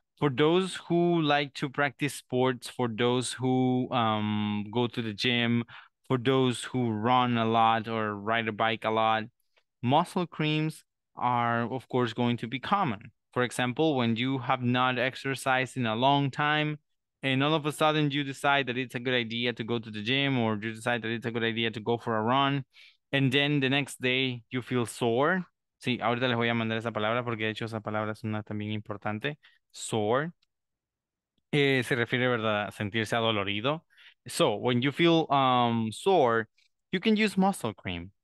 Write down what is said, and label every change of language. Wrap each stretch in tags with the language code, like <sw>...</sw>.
<en>For those who like to practice sports, for those who go to the gym, for those who run a lot or ride a bike a lot, muscle creams are, of course, going to be common. For example, when you have not exercised in a long time and all of a sudden you decide that it's a good idea to go to the gym or you decide that it's a good idea to go for a run and then the next day you feel sore.</en> <es>Sí, ahorita les voy a mandar esa palabra porque de hecho esa palabra es una también importante. Sore. Se refiere, ¿verdad?, a sentirse adolorido.</es> <en>So, when you feel sore, you can use muscle cream.</en>